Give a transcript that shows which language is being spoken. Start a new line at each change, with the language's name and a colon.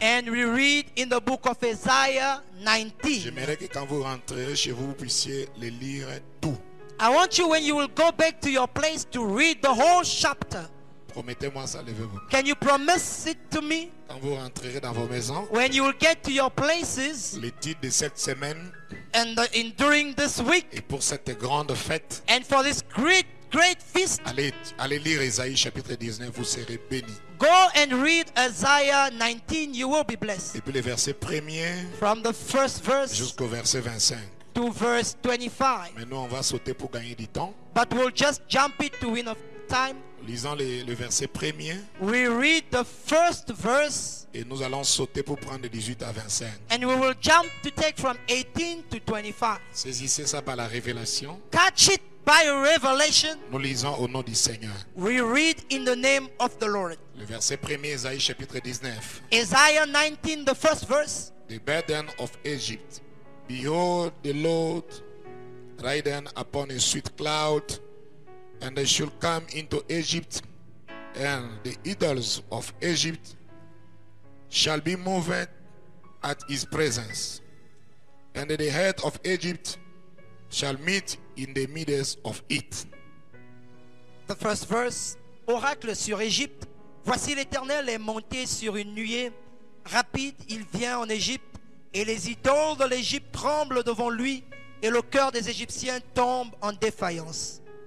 English: And we read in the book of Isaiah 19.
French: J'aimerais que quand vous rentrez chez vous, vous puissiez les lire tout.
English: I want you when you will go back to your place to read the whole chapter.
French: Promettez-moi ça, levez-vous.
English: Can you promise it to me?
French: Quand vous rentrerez dans vos maisons.
English: When you will get to your places.
French: Les titres de cette semaine.
English: And the, in during this week.
French: Et pour cette grande fête.
English: And for this great great feast.
French: Allez lire Isaïe chapitre 19, vous serez bénis.
English: Go and read Isaiah 19, you will be blessed.
French: Et puis les versets premiers.
English: From the first verse.
French: Jusqu'au verset 25.
English: To verse 25.
French: Mais nous on va sauter pour gagner du temps.
English: But we'll just jump it to win of time.
French: Lisons le verset premier.
English: We read the first verse.
French: Et nous allons sauter pour prendre de 18 à 25.
English: And we will jump to take from 18 to 25.
French: Saisissez ça par la révélation.
English: Catch it by revelation.
French: Nous lisons au nom du Seigneur.
English: We read in the name of the Lord.
French: Le verset premier, Isaïe chapitre 19.
English: Isaiah 19, the first verse. The burden of Egypt. Behold, the Lord riding upon a sweet cloud. And they shall come into Egypt, and the idols of Egypt shall be moved at his presence, and the head of Egypt shall meet in the midst of it. The first verse,
French: oracle sur Égypte. Voici l'Éternel est monté sur une nuée rapide, il vient en Égypte, et les idoles de l'Égypte tremblent devant lui, et le cœur des Égyptiens tombe en défaillance.